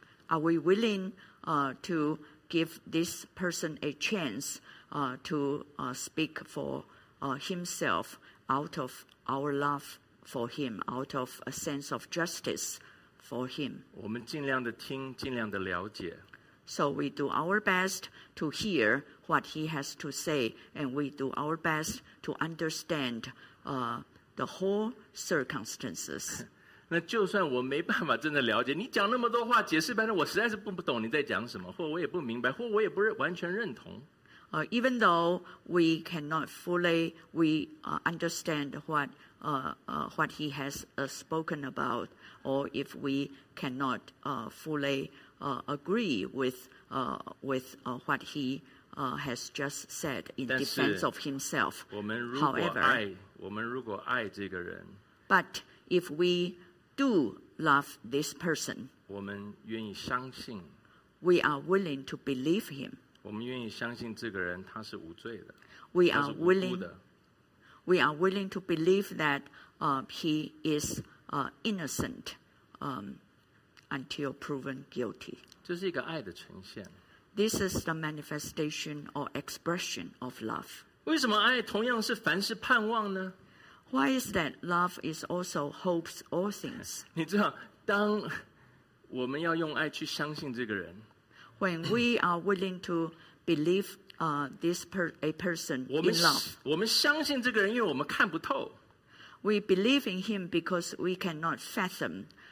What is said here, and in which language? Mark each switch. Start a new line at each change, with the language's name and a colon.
English: Are we willing to give this person a chance to speak for himself out of our love for him, out of a sense of justice for him?
Chinese: 我们尽量的听，尽量的了解。
English: So we do our best to hear what he has to say, and we do our best to understand the whole circumstances.
Chinese: 那就算我没办法真的了解，你讲那么多话解释半天，我实在是不懂你在讲什么，或我也不明白，或我也不完全认同。
English: Even though we cannot fully understand what he has spoken about, or if we cannot fully agree with what he has just said in defense of himself.
Chinese: 我们如果爱
English: However,
Chinese: 我们如果爱这个人
English: But if we do love this person,
Chinese: 我们愿意相信
English: We are willing to believe him.
Chinese: 我们愿意相信这个人他是无罪的
English: We are willing to believe that he is innocent until proven guilty.
Chinese: 这是一个爱的呈现。
English: This is the manifestation or expression of love.
Chinese: 为什么爱同样是凡事盼望呢？
English: Why is that love is also hopes all things?
Chinese: 你知道，当我们要用爱去相信这个人，
English: When we are willing to believe a person in love,
Chinese: 我们相信这个人，因为我们看不透。
English: We believe in him because we cannot fathom